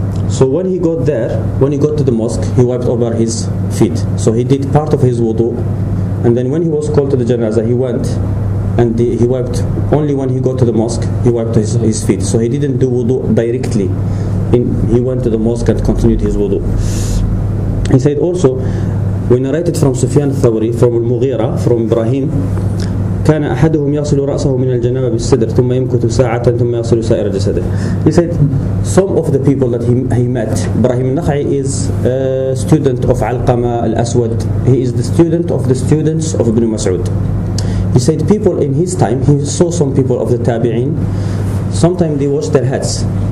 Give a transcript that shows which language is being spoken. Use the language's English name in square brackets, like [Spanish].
[English] So when he got there, when he got to the mosque, he wiped over his feet. So he did part of his wudu. And then when he was called to the janaza, he went and he wiped only when he got to the mosque, he wiped his feet. So he didn't do wudu directly. He went to the mosque and continued his wudu. He said also, we narrated from Sufyan al-Thawri, from al-Mughira, from Ibrahim, [Arabic] كان أحدهم يصل رأسه من الجنابة بالصدر ثم يمكث ساعة ثم يصل سائر جسده. [English] He said, some of the people that he met, Ibrahim al-Nakhai is a student of Alqama al-Aswad. He is the student of the students of Ibn Mas'ud. He said, people in his time, he saw some people of the Tabi'in, sometimes they wash their heads.